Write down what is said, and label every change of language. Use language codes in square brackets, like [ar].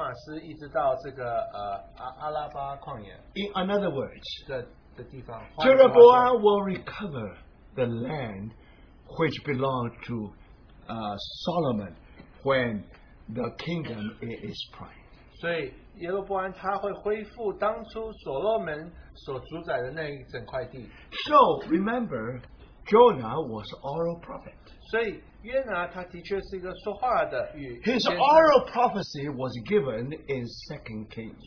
[zh] 所以他预言说耶罗波安他会恢复这个从哈马斯一直到这个阿拉巴旷野。 [en] In other words, Jeroboam will recover the land which belonged to Solomon when the kingdom is prime. [zh] 所以耶罗波安他会恢复当初所罗门所主宰的那一整块地。 [en] So remember, Jonah was oral prophet. [zh] 所以约拿他的确是一个说话的预言。 [en] His oral prophecy was given in 2 Kings.